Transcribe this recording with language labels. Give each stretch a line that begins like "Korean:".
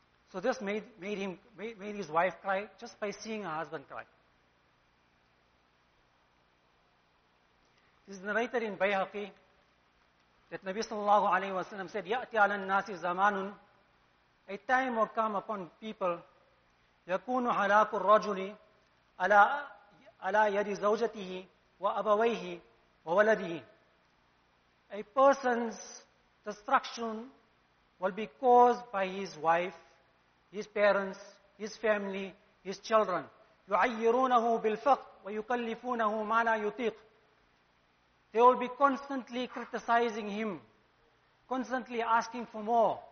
English: So this made his wife cry just by seeing her husband cry. This is narrated in Bayhaqi that Nabi sallallahu alayhi wa sallam said,
Arabic: يَأْتِ عَلَى النَّاسِ زَمَانٌ.
English: A time will come upon people,
Arabic: يَكُونُ هَلَاكُ الرَّجُلِ عَلَى يَدِ زَوْجَتِهِ وَأَبَوَيْهِ وَوَلَدِهِ.
English: A person's destruction will be caused by his wife, his parents, his family, his children.
Arabic: يُعَيِّرُونَهُ بِالْفَقْرِ وَيُكَلِّفُونَهُ مَا لَا يُطِيقُ.
English: They will be constantly criticizing him, constantly asking for more.